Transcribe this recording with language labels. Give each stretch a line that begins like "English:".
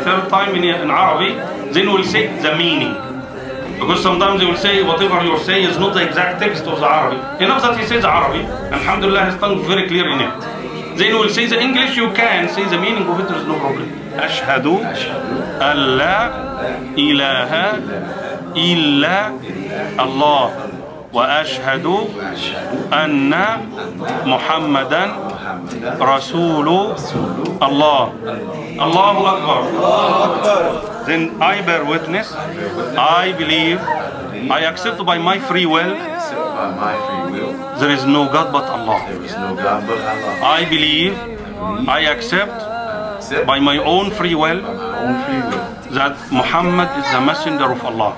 English: Third time in Arabic, then we'll say the meaning. Because sometimes they will say whatever you say is not the exact text of the Arabic. Enough that he says Arabic, alhamdulillah, his tongue is very clear in it. Then we'll say the English, you can say the meaning of it, there is no problem.
Arabic: أشهد أن لا إله إلا الله وأشهد أن محمدا رسول الله. الله أكبر.
English: Then I bear witness, I believe, I accept by my free will, there is no God but Allah. I believe, I accept by my own free will, that Muhammad is the messenger of Allah.